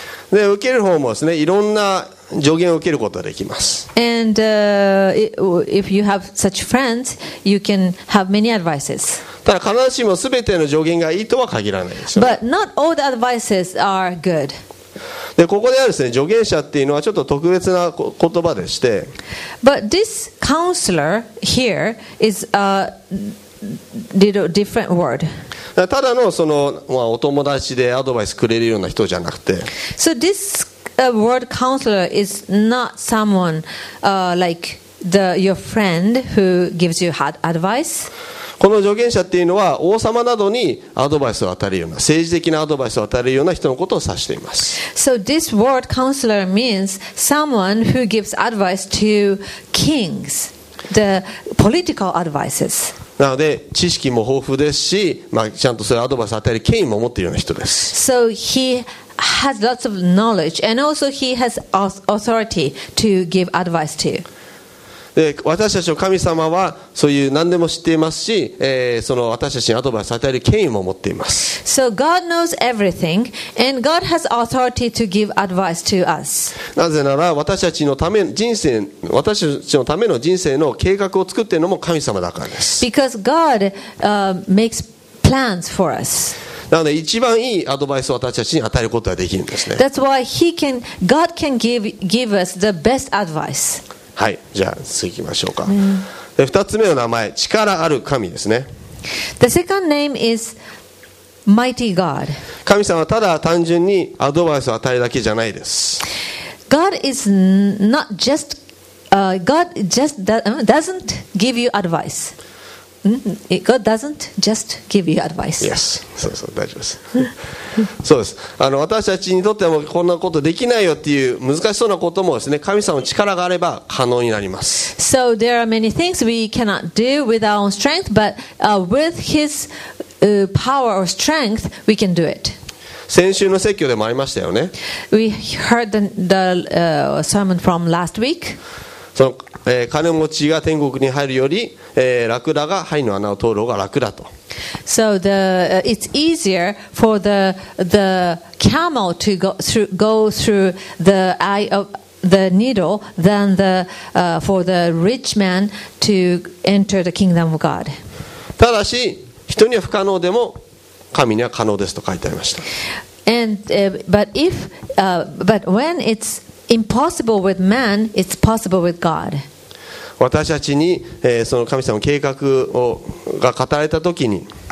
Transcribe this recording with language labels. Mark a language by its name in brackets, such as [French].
[Japanese] で受ける方もですね、いろんな助言を受けることができます。 [English] And if you have such friends, you can have many advices. [Japanese] ただ必ずしもすべての助言がいいとは限らないですよね。 [English] But not all the advices are good. [Japanese] でここであるですね、助言者っていうのはちょっと特別な言葉でして。 [English] But this counselor here is a little different word. [Japanese] ただのその、まあ、お友達でアドバイスくれるような人じゃなくて、 [English] So this word counselor is not someone like the your friend who gives you advice. [Japanese] この助言者っていうのは王様などにアドバイスを与えるような政治的なアドバイスを与えるような人のことを指しています。 [English] So this word counselor means someone who gives advice to kings, the political advices. [Japanese] なので知識も豊富ですし、まあ、ちゃんとそれアドバイスを与える権威も持っているような人です。 [English] So he has lots of knowledge and also he has authority to give advice to. [Japanese] で私たちの神様はそういう何でも知っていますし、その私たちにアドバイスを与える権威も持っています。 [English] So God knows everything, and God has authority to give advice to us. [Japanese] なぜなら私たちのため人生、私たちのための人生の計画を作っているのも神様だからです。 [English] Because God, makes plans for us. [Japanese] なので一番いいアドバイスを私たちに与えることができるんですね。 [English] That's why he can, God can give, give us the best advice. [Japanese] はい、じゃあ次行きましょうか。で、二つ目の名前、力ある神ですね。 [English] The second name is Mighty God. [Japanese] 神様はただ単純にアドバイスを与えるだけじゃないです。 [English] God is not just, God just doesn't give you advice. God doesn't just give you advice. [Japanese] Yes, そうそう大丈夫です。そうです。私たちにとってもこんなことできないよっていう難しそうなこともですね、神様の力があれば可能になります。 [English] So there are many things we cannot do with our own strength, but with His power or strength, we can do it. [Japanese] 先週の説教でもありましたよね。 [English] We heard the sermon from last week. [Japanese] その金持ちが天国に入るより、ラクダが灰の穴を通る方が楽だと。 [English] So the it's easier for the camel to go through the eye of the needle than the for the rich man to enter the kingdom of God. [Japanese] ただし人には不可能でも神には可能ですと書いてありました。 [English] And but if but when it'sImpossible with man, it's possible with God. [Japanese] 私たちに、その神様の計画をが語られたときに、